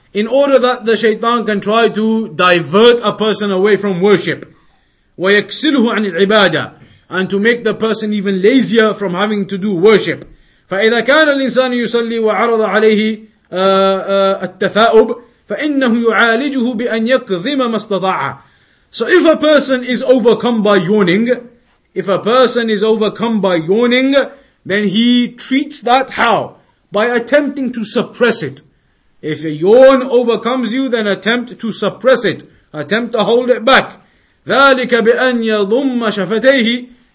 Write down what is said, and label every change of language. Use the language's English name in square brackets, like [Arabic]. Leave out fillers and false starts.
[English] In order that the shaitan can try to divert a person away from worship, [Arabic] ويكسله عن العبادة, [English] and to make the person even lazier from having to do worship. [Arabic] فإذا كان الإنسان يصلي وعرض عليه التثاؤب فإنه يعالجه بأن يكظم ما استطاع. [English] So if a person is overcome by yawning, if a person is overcome by yawning, then he treats that how? By attempting to suppress it. If a yawn overcomes you, then attempt to suppress it. Attempt to hold it back. [Arabic] ذَلِكَ بِأَنْ يَضُمَّ شَفَتَيْهِ.